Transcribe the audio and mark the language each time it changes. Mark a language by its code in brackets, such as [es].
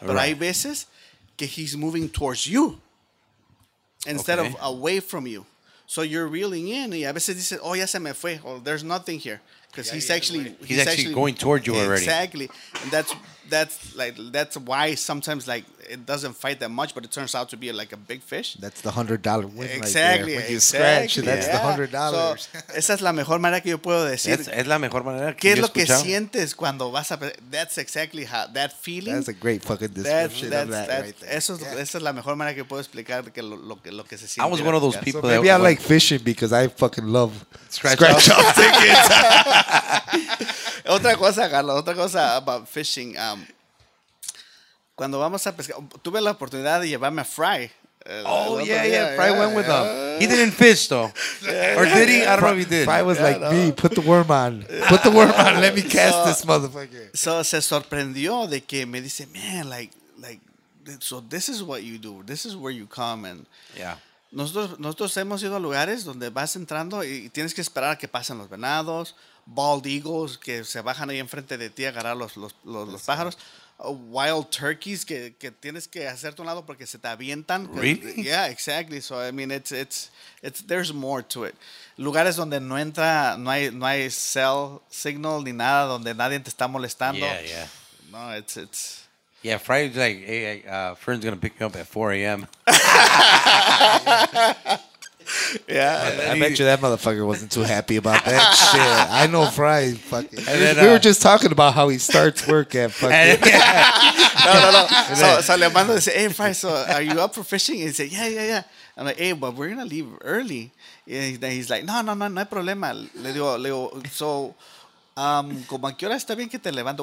[en] Pero right. [es] Hay veces que [en] he's moving towards you instead of away from you. So you're reeling in, [es] y a veces dices, ya se me fue, [en] there's nothing here. because he's actually going toward you already. Exactly, and that's why sometimes like it doesn't fight that much, but it turns out to be like a big fish. That's the $100 win. Exactly, right there. When you scratch, that's the $100. [es] So, esa es la mejor manera que yo puedo decir. Es la mejor manera. ¿Qué es lo que sientes cuando vas a? [en] That's exactly how that feeling. That's a great fucking description of that. Right there. [es] Esa es la mejor manera que puedo explicar que lo que se siente. [en] I was one of those people. So maybe I like fishing because I fucking love scratch off tickets. [es] Otra cosa, Carlos. Otra cosa [en] about fishing. [es] Cuando vamos a pescar, tuve la oportunidad de llevarme a Fry. [en] Fry went with him. He didn't fish, though. Or did he? I don't know if he did. Fry was me, put the worm on. Put the worm on, let me cast this motherfucker. So, [es] se sorprendió de que me dice, [en] man, so this is what you do. This is where you come. And [es] nosotros hemos ido a lugares donde vas entrando y tienes que esperar a que pasen los venados, bald eagles que se bajan ahí enfrente de ti a agarrar los pájaros. Wild turkeys que tienes que hacerte un lado porque se te avientan. [en] Really? Yeah, exactly. So I mean, it's there's more to it. [es] Lugares donde no entra, no hay cell signal ni nada, donde nadie te está molestando. [en] Yeah, yeah. No, it's. Yeah, Friday's like, hey, Fern's gonna pick me up at 4 a.m. Yeah, I bet you that motherfucker wasn't too happy about that shit. I know Fry. Fucking, we were just talking about how he starts work at fucking. No. So [es] le mando dice, [en] hey Fry, so are you up for fishing? And he said, yeah. I'm like, hey, but we're gonna leave early. And then he's like, [es] no, no hay problema. Le digo, so, como a qué hora está bien que te levanto?